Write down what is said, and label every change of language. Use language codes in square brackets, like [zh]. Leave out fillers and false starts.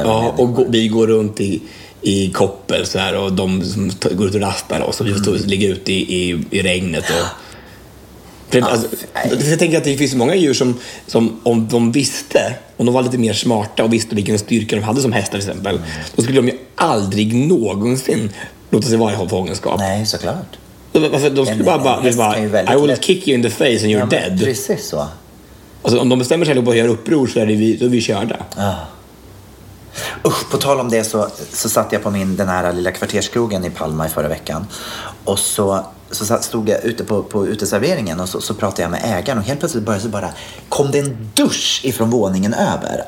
[sv] ja, och vi går runt i koppel så här, och de som går ut och raspar oss, och vi får ligga ute i regnet och... Jag tänker att det finns många djur som om de visste, om de var lite mer smarta och visste vilken styrka de hade som hästar till exempel, då skulle de ju aldrig någonsin låta sig vara i fångenskap. Nej, såklart. De skulle bara [en] I will kick you in the face and you're dead. [sv] Precis så. Alltså, om de bestämmer sig att bara göra uppror så är vi körda. Ja. Usch, på tal om det så satt jag på den här lilla kvarterskrogen i Palma i förra veckan. Och så stod jag ute på uteserveringen och så pratade jag med ägaren, och helt plötsligt började så bara kom det en dusch ifrån våningen över.